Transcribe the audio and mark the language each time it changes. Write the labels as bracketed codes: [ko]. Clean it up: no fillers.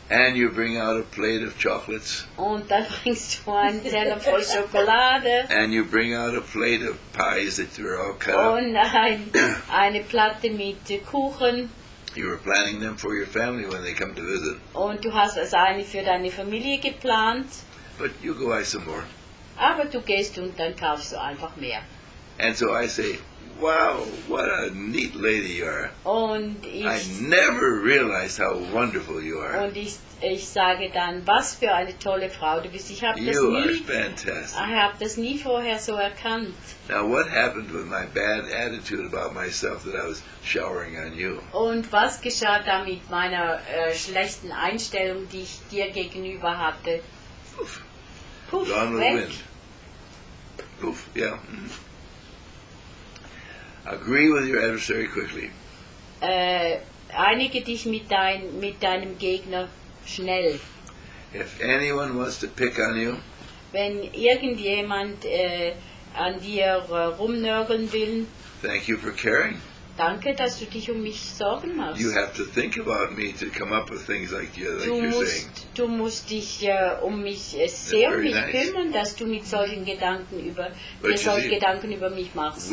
[en] And you bring out a plate of chocolates. [de] Und dann bringst du einen Teller voll Schokolade. [en] And you bring out a plate of pies that were all cut up. [de] Und eine Platte mit Kuchen. [en] You were planning them for your family when they come to visit. [de] Und du hast also eine für deine Familie geplant. [en] But you go buy some more. [de] Aber du gehst und dann kaufst du einfach mehr. [en] And so I say, wow, what a neat lady you are. [de] Und ich, [en] I never realized how wonderful you are. [de] Und ich sage dann, was für eine tolle Frau du bist. Ich habe das nie vorher so erkannt. [en] Now what happened with my bad attitude about myself that I was showering on you? [de] Und was geschah da mit meiner schlechten Einstellung, die ich dir gegenüber hatte? [en] Poof, gone with the wind. Poof, yeah. Mm-hmm. Agree with your adversary quickly. [de] Einige dich mit deinem Gegner schnell. [en] If anyone wants to pick on you, [de] wenn irgendjemand an dir rumnörgeln will, [en] thank you for caring. [de] Danke, dass du dich um mich sorgen machst. [en] You have to think about me to come up with things like you're saying. [de] Du musst dich um mich sehr um mich kümmern, dass du mit solchen Gedanken über mir solche Gedanken über mich machst.